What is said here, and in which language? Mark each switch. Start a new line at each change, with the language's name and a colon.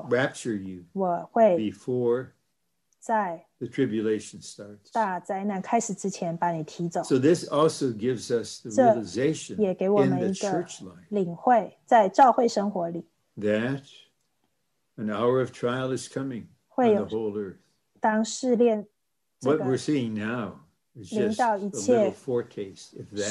English: I will rapture you before the tribulation starts.
Chinese: 大灾难开始之前把你提走。
English: So this also gives us the realization in the church life.
Chinese: 领会, 在教会生活里,
English: that an hour of trial is coming
Chinese: 会有,
English: on the whole earth.
Chinese: 当试炼,
English: what we're seeing now is just a little foretaste of that.